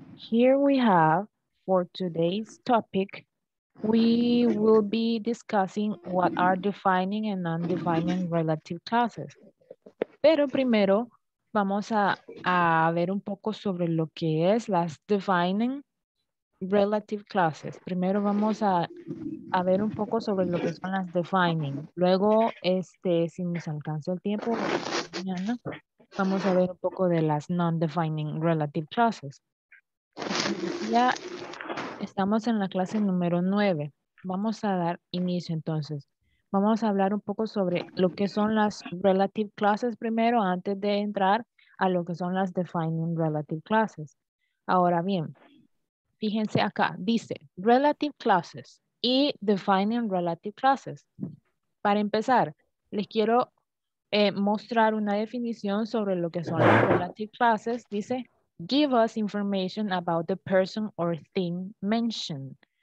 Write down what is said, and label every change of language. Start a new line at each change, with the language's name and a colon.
English: Here we have for today's topic, we will be discussing what are defining and non-defining relative clauses.
Spanish: Pero primero vamos a ver un poco sobre lo que es las defining relative clauses. Primero vamos a ver un poco sobre lo que son las defining. Luego, si nos alcanza el tiempo, mañana, vamos a ver un poco de las non-defining relative clauses. Ya estamos en la clase número 9. Vamos a dar inicio entonces. Vamos a hablar un poco sobre lo que son las relative clauses primero antes de entrar a lo que son las defining relative clauses. Ahora bien, fíjense acá, dice relative clauses y defining relative clauses. Para empezar, les quiero mostrar una definición sobre lo que son las relative clauses.
English: Dice, give us information about the person or thing mentioned.